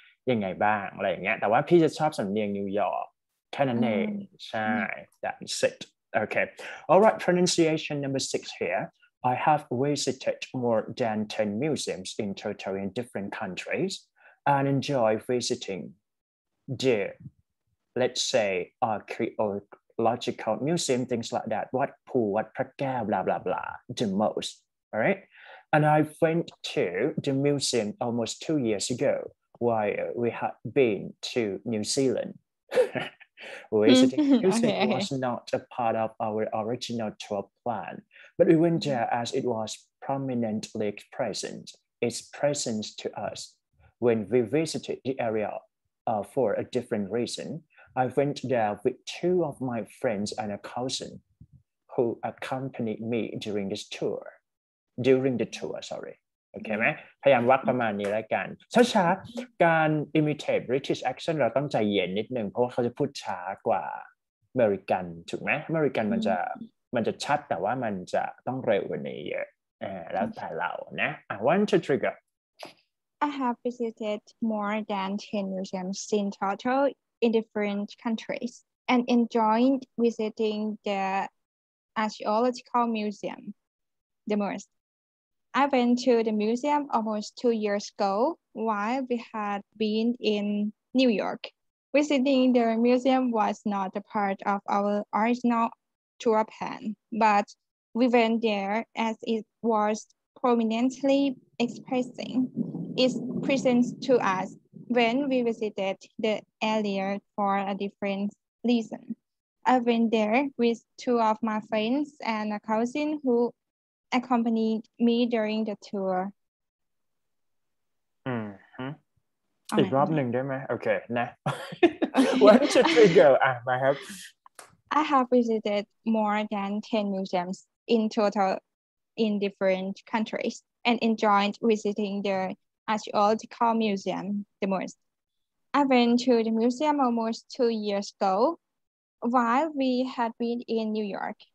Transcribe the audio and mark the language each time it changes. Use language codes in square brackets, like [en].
[th] ยังไงบ้างอะไรอย่างเงี้ยแต่ว่าพี่จะชอบสำเนียงนิวยอร์กแค่นั้นเองใช่ [en] that's it okay all right pronunciation number 6 hereI have visited more than 10 museums in total in different countries and enjoy visiting the, let's say, archaeological museum, things like that, Wat Phu, Wat Prakaw, blah, blah, blah, the most, all right? And I went to the museum almost 2 years ago while we had been to New Zealand. Visiting the museum okay. was not a part of our original tour plan. But we went there as it was prominently present, its presence to us. When we visited the area for a different reason, I went there with two of my friends and a cousin who accompanied me during this tour. During the tour, sorry. Okay, mm-hmm. [th] ไหมพยายามวักประมาณนี้แล้วกันช้าช้าการ [en] imitate British accent [th] เราต้องใจเย็นนิดนึงเพราะว่าเขาจะพูดช้ากว่าอเมริกันถูกไหมอเมริกันมันจะมันจะชัดแต่ว่ามันจะต้องเร็วกว่านี้เยอะแล้วแต่เรานะ [en] One to trigger I have visited more than 10 museums in total in different countries and enjoyed visiting the archaeological museum the most I went to the museum almost 2 years ago while we had been in New York visiting the museum was not a part of our originalto Japan, but we went there as it was prominently expressing its presence to us when we visited the area for a different reason. I went there with two of my friends and a cousin who accompanied me during the tour. [th] อีกรอบหนึ่งได้ไหมโอเคนะ [en] One, two, three, go. I have... I have visited more than 10 museums in total in different countries and enjoyed visiting the archaeological museum the most. I went to the museum almost 2 years ago while we had been in New York.